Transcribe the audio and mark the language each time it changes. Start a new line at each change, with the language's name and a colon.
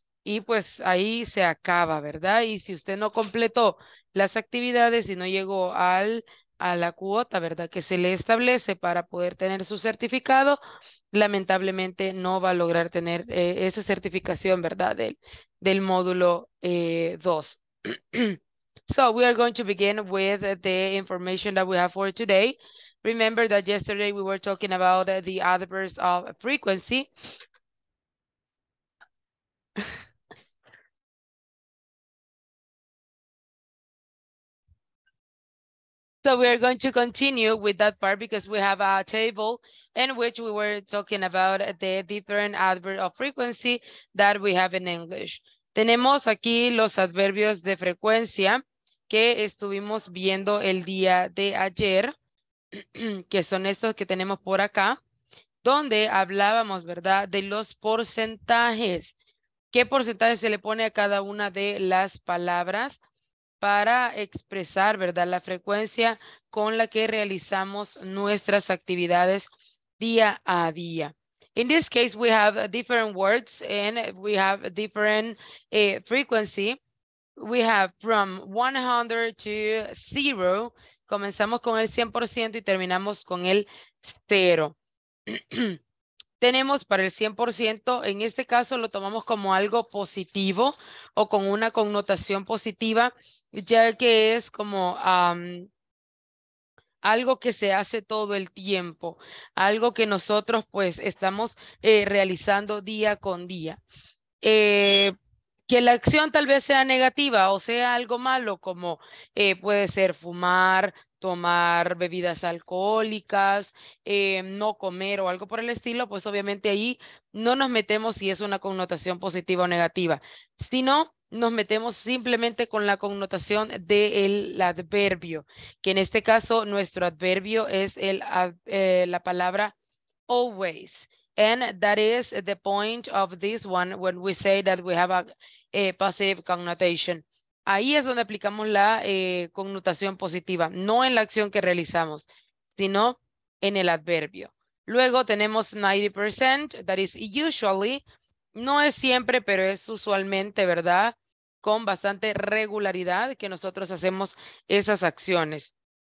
Spanish: Y pues ahí se acaba, ¿verdad? Y si usted no completó las actividades y no llegó a la cuota, ¿verdad?, que se le establece para poder tener su certificado, lamentablemente no va a lograr tener esa certificación, ¿verdad?, del módulo 2.
English: So we are going to begin with the information that we have for today. Remember that yesterday we were talking about the adverbs of frequency. So we are going to continue with that part, because we have a table in which we were talking about the different adverbs of frequency that we have in English.
Spanish: Tenemos aquí los adverbios de frecuencia que estuvimos viendo el día de ayer, que son estos que tenemos por acá, donde hablábamos, ¿verdad?, de los porcentajes. ¿Qué porcentaje se le pone a cada una de las palabras para expresar, ¿verdad?, la frecuencia con la que realizamos nuestras actividades día a día?
English: In this case, we have different words and we have different frequency. We have from 100 to 0.
Spanish: Comenzamos con el 100% y terminamos con el 0. Tenemos para el 100%, en este caso lo tomamos como algo positivo o con una connotación positiva, ya que es como algo que se hace todo el tiempo, algo que nosotros pues estamos realizando día con día. Que la acción tal vez sea negativa o sea algo malo, como puede ser fumar, tomar bebidas alcohólicas, no comer o algo por el estilo, pues obviamente ahí no nos metemos si es una connotación positiva o negativa, sino nos metemos simplemente con la connotación del adverbio, que en este caso nuestro adverbio es la palabra always.
English: And that is the point of this one when we say that we have a positive connotation.
Spanish: Ahí es donde aplicamos la connotación positiva, no en la acción que realizamos, sino en el adverbio. Luego tenemos 90%,
English: that is usually,
Spanish: no es siempre, pero es usualmente, ¿verdad?, con bastante regularidad que nosotros hacemos esas acciones.